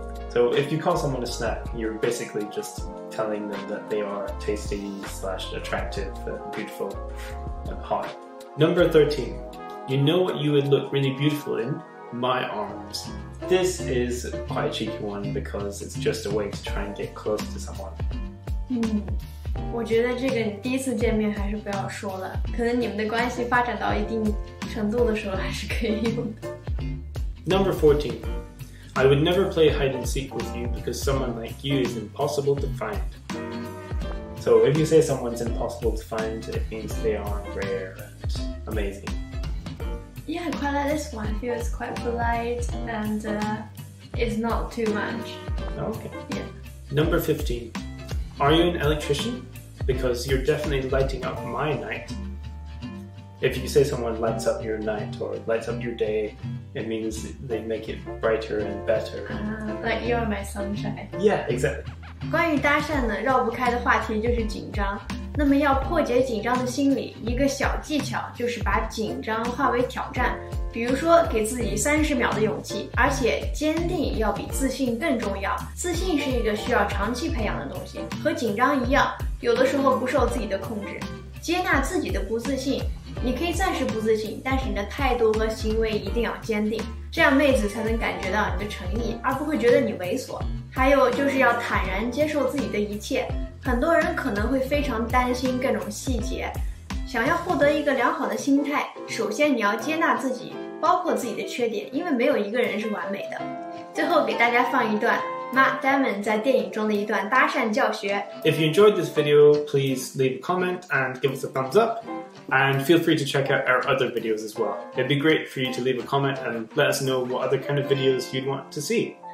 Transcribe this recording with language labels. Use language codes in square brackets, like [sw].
[en] So if you call someone a snack, you're basically just telling them that they are tasty slash attractive, beautiful, and hot. Number 13, you know what you would look really beautiful in? My arms. This is quite a cheeky one because it's just a way to try and get close to someone. [zh] 我觉得这个你第一次见面还是不要说了，可能你们的关系发展到一定程度的时候还是可以用的。 [en] Number 14, I would never play hide and seek with you because someone like you is impossible to find. So if you say someone's impossible to find, it means they are rare and amazing. Yeah, I quite like this one. Feels quite polite and it's not too much. Okay. Yeah. Number 15. Are you an electrician? Because you're definitely lighting up my night. If you say someone lights up your night or lights up your day, it means they make it brighter and better. Like you're my sunshine. Yeah, exactly. [zh] 关于搭讪呢，绕不开的话题就是紧张。那么要破解紧张的心理，一个小技巧就是把紧张化为挑战。比如说给自己30秒的勇气，而且坚定要比自信更重要。自信是一个需要长期培养的东西，和紧张一样，有的时候不受自己的控制。接纳自己的不自信，你可以暂时不自信，但是你的态度和行为一定要坚定，这样妹子才能感觉到你的诚意，而不会觉得你猥琐。还有就是要坦然接受自己的一切，很多人可能会非常担心各种细节，想要获得一个良好的心态，首先你要接纳自己，包括自己的缺点，因为没有一个人是完美的。最后给大家放一段 Matt Damon 在电影中的一段搭讪教学。 [en] If you enjoyed this video, please leave a comment and give us a thumbs up. And feel free to check out our other videos as well. It'd be great for you to leave a comment and let us know what other kind of videos you'd want to see.